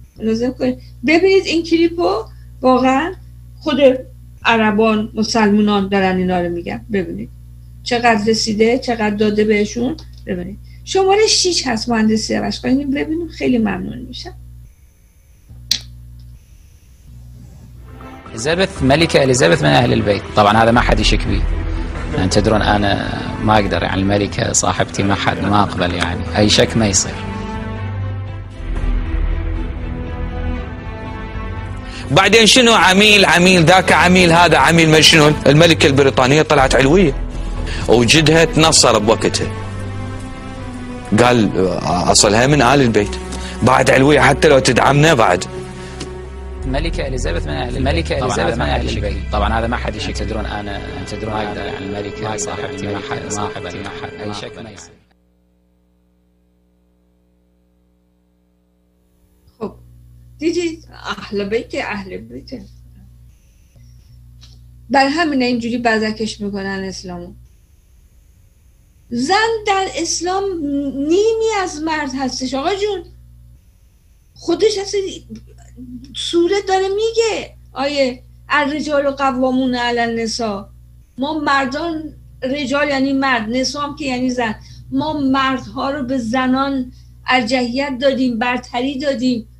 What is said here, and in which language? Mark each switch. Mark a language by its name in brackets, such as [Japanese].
[Persian] لازم کنید ببینید این کلیپو، واقعا خود عربان مسلمونان دارن اینا رو میگن، ببینید چقدر رسیده، چقدر داده بهشون، ببینید. شماره 6 هست مهندس سیاوش، بریم ببینیم، خیلی ممنون میشم. [Arabic] الیزابت، ملكه الیزابت من اهل البيت، طبعا هذا ما حد يشك بي، انت تدرون انا ما اقدر، يعني الملكه صاحبتي ما حد ما اقبل، يعني اي شك ما يصير. بعدين شنو عميل، عميل ذاك عميل، هذا عميل ما شنو، الملكه البريطانيه طلعت علويه وجدها تنصر بوقتها، قال اصلها من اهل البيت، بعد علويه حتى لو تدعمنا بعد. الملكه اليزابيث من اهل الملكه اليزابيث من اهل البيت، طبعا هذا ما حد يشك، تدرون انا تدرون هذا عن الملكه صاحبتي، ما حد صاحبتي ما حد اي شك ما يصير. [Persian] خب دیدی اهل بیت، اهل بیت بر همین اینجوری بزکش میکنن اسلامو، زن در اسلام نیمی از مرد هستش آقا جون، خودش هست سوره داره میگه آیه [Arabic] الرجال و قوامون علی النساء، [Persian] ما مردان رجال یعنی مرد، نساء هم که یعنی زن، ما مردها رو به زنان ارجحیت دادیم، برتری دادیم.